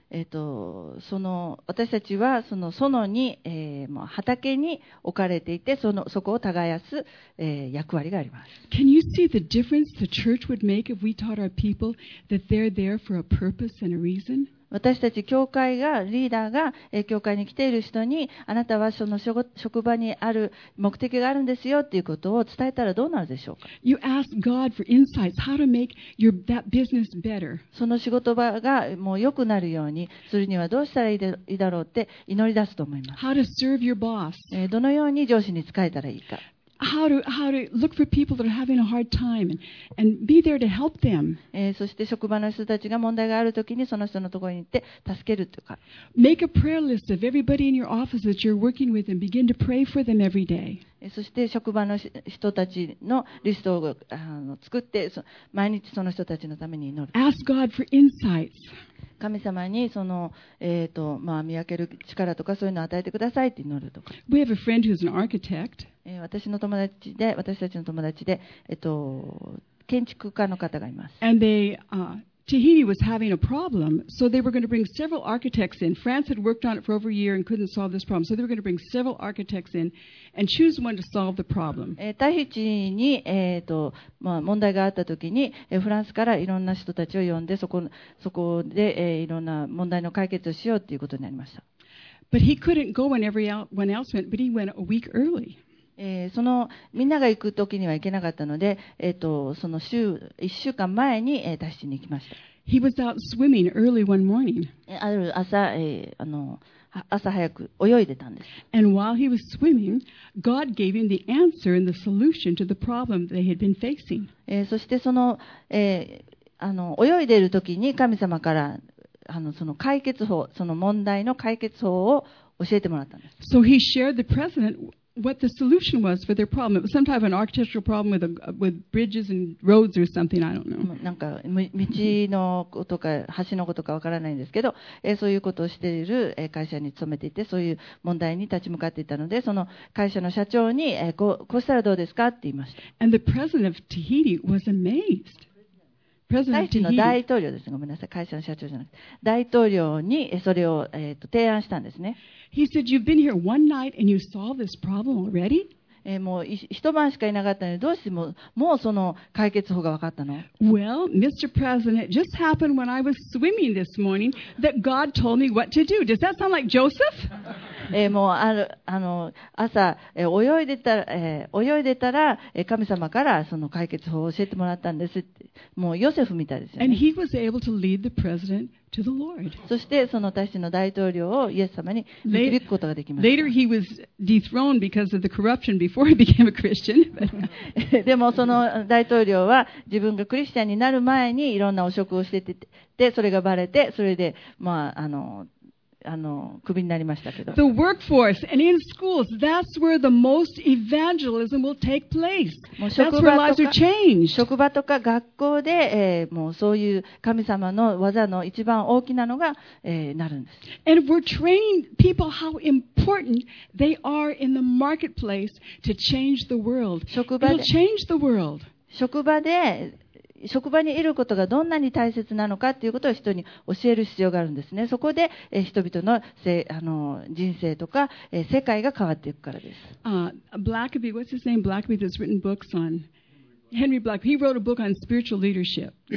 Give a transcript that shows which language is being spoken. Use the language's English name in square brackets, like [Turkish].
[Japanese] その私たちはその園に、畑に置かれていて、そこを耕す、役割があります。 [English] Can you see the difference the church would make if we taught our people that they're there for a purpose and a reason? [Japanese] 私たち教会がリーダーが教会に来ている人にあなたはその職場にある目的があるんですよということを伝えたらどうなるでしょうか。 [English] You ask God for insights how to make your, that business better. [Japanese] その仕事場がもう良くなるようにするにはどうしたらいいだろうって祈り出すと思います。 [English] How to serve your boss. [Japanese] どのように上司に仕えたらいいか。 [English] How to look for people that are having a hard time and be there to help them. [Japanese] そして職場の人たちが問題があるときにその人のところに行って助けるとか。 [English] Make a prayer list of everybody in your office that you're working with and begin to pray for them every day. [Japanese] そして職場の人たちのリストを作って毎日その人たちのために祈る。 [English] Ask God for insights. [Japanese] 神様にその、見分ける力とかそういうのを与えてくださいって祈るとか。 [English] We have a friend who's an architect. [Japanese] 私たちの友達で、建築家の方がいます。 [English] And they, Tahiti was having a problem, so they were going to bring several architects in. France had worked on it for over a year and couldn't solve this problem, so they were going to bring several architects in and choose one to solve the problem. [Japanese] タヒチに、問題があったときに、フランスからいろんな人たちを呼んで、そこで、いろんな問題の解決をしようということになりました。 [English] But he couldn't go when everyone else went, but he went a week early. [Japanese] そのみんなが行くときには行けなかったので、その週1週間前に、出しに行きました。 [English] He was out swimming early one morning. [Japanese] ある朝、朝早く泳いでたんです。 [English] And while he was swimming, God gave him the answer and the solution to the problem they had been facing. [Japanese] そしてその、泳いでるときに神様からその解決法、その問題の解決法を教えてもらったんです。 [English] So he shared the president. What the solution was for their problem. It was some type of an architectural problem with bridges and roads or something. I don't know. [Japanese] なんか道のことか橋のことかわからないんですけど、そういうことをしている会社に勤めていて、そういう問題に立ち向かっていたので、その会社の社長に、こうしたらどうですかって言いました。 [English] And the president of Tahiti was amazed. President of Tahiti. [Japanese] タヒチの大統領です。ごめんなさい。会社の社長じゃなくて。大統領にそれを、提案したんですね。 [English] He said, "You've been here one night and you solved this problem already." [Japanese] もう一晩しかいなかったのにどうしてもうその解決法が分かったの。 [English] Well, Mr. President, it just happened when I was swimming this morning that God told me what to do. Does that sound like Joseph? [Japanese] もうあの朝泳いでたら、泳いでたら神様からその解決法を教えてもらったんですって、もうヨセフみたいですよね。 [English] And he was able to lead the president to the Lord. [Japanese] そしてその大使の大統領をイエス様に導くことができました。 [English] Later he was dethroned because of the corruption before he became a Christian. [Japanese] でもその大統領は自分がクリスチャンになる前にいろんな汚職をしてて、でそれがバレて、それでまあクビになりましたけど。 [English] The workforce and in schools, that's where the most evangelism will take place. That's where lives are changed. [Japanese] 職場とか学校で、もうそういう神様の技の一番大きなのが、なるんです。 [English] And we're training people how important they are in the marketplace to change the world. It'll change the world. [Japanese] 職場で職場にいることがどんなに大切なのかということを人に教える必要があるんですね。そこで人々 の、 人生とか世界が変わっていくからです。 [English] Blackaby, what's his name? Blackaby that's written books on Henry Blackaby. He wrote a book on spiritual leadership.